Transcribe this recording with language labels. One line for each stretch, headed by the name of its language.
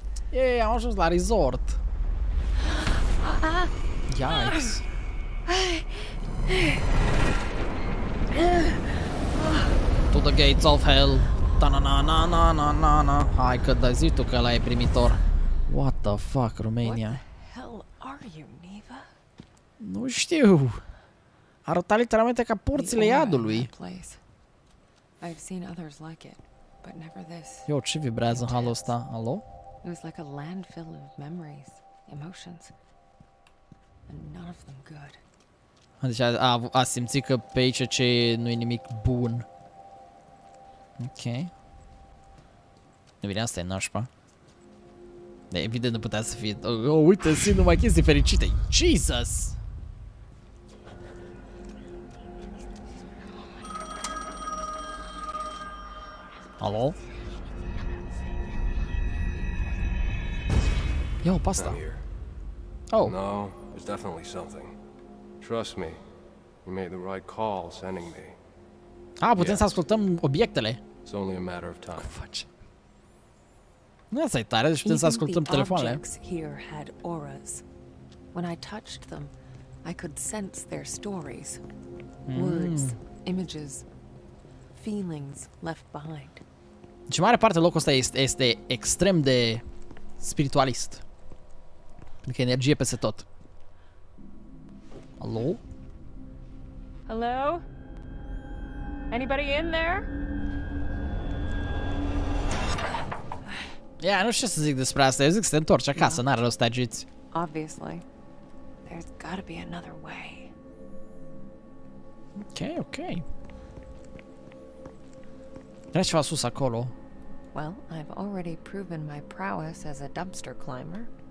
Romanian: Yeah, am ajuns la resort.
English: Yikes. To the gates of hell. Ta na na na na na na na.
Romanian: Hai că dai zi tu că ăla e primitor.
English: What the fuck, Romania? What the hell are you, Neva?
Romanian: Nu știu. Arăta literalmente ca porțile iadului.
English: I've seen others like it. But never this.
Romanian: Yo, ce vibrează în halul ăsta? Alo?
English: It was like a landfill of memories, emotions. And none of them good.
Romanian: Deci a simțit că pe aici ce e, nu e nimic bun. Ok. Bine, asta e nașpa. Dar evident nu putea să fie... uite, simt numai chestii fericite. Jesus! Alo? Yo, pasta. Oh.
English: No, there's definitely something. Trust me. You made the right call sending me.
Romanian: Ah, putem să ascultăm obiectele.
English: It's only a matter of time.
Romanian: Nu, asta e tare, deci putem să ascultăm telefoanele.
English: Objects here had auras. When I touched them, I could sense their stories. Words, images, feelings left behind.
Romanian: Deci mare parte locul ăsta este extrem de spiritualist. Pentru că energie peste tot. Alo?
English: Hello? Anybody in there?
Romanian: Ia, nu știu ce să zic despre asta. Eu zic să te întorci acasă, n-are rost să agiți.
English: Obviously. There's gotta be another way.
Romanian: Ok, ok. Era ceva sus acolo.
English: Well, I've already proven my prowess as a dumpster climber.